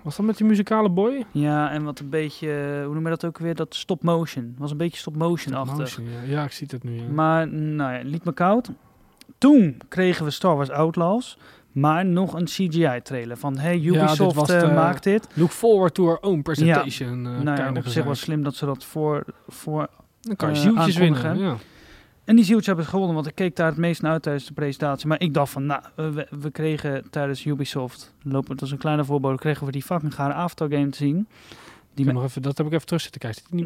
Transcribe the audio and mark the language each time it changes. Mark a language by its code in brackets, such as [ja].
[nl] Was dat met die muzikale boy? Ja, en wat een beetje. Hoe noem je dat ook weer? Dat stop motion. Was een beetje stop motion achter. Ja, ik zie het nu. Ja. Maar, nou ja, liet me koud. Toen kregen we Star Wars Outlaws. Maar nog een CGI-trailer van, hey, Ubisoft maakt dit. [en] Look forward to our own presentation. [nl] Ja. Op zich was slim dat ze dat voor dan kan je zieltjes winnen. Ja. En die zieltjes hebben ze gewonnen, want ik keek daar het meest naar uit tijdens de presentatie. Maar ik dacht van, nou, we kregen tijdens Ubisoft, lopend als een kleine voorbode, kregen we die fucking gare Aftergame te zien. Dat heb ik even terug zitten kijken.